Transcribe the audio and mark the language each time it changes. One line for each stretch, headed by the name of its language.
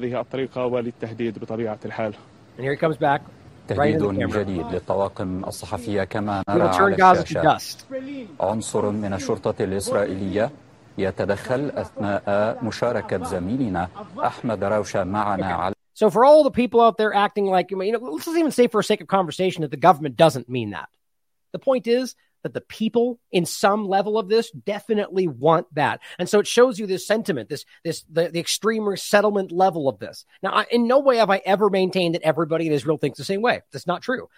English: And here he comes back, right in the camera. We will turn Gaza to dust.
Arabic: عنصر من الشرطة الإسرائيلية يتدخل أثناء مشاركة زميلنا أحمد روشة معنا على.
English: So for all the people out there acting like, you know, let's even say for sake of conversation that the government doesn't mean that. The point is that the people in some level of this definitely want that. And so it shows you this sentiment, the extreme resettlement level of this. Now, in no way have I ever maintained that everybody in Israel thinks the same way. That's not true.